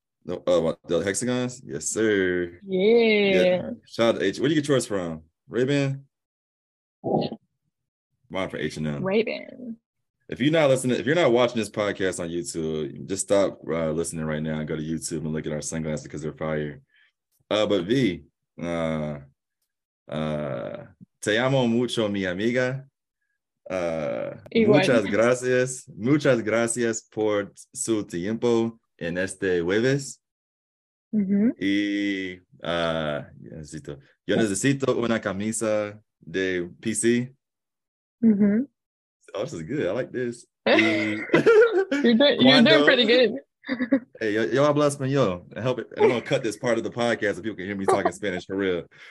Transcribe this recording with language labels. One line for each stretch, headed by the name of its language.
English: The hexagons? Yes, sir. Yeah. Shout out to H. Where do you get yours from? Ray-Ban? Yeah. Mine for H&M. Ray-Ban. If you're not watching this podcast on YouTube, just stop listening right now and go to YouTube and look at our sunglasses because they're fire. But
Spanish: V, te amo mucho, mi amiga. Muchas gracias. Muchas gracias por su tiempo en este jueves. Mm-hmm. Y yo necesito una camisa de PC. Mm-hmm.
English: Oh, this is good. I like this. you're doing pretty good.
Spanish: Hey, yo hablo español.
English: I'm gonna cut this part of the podcast so people can hear me talking Spanish for real.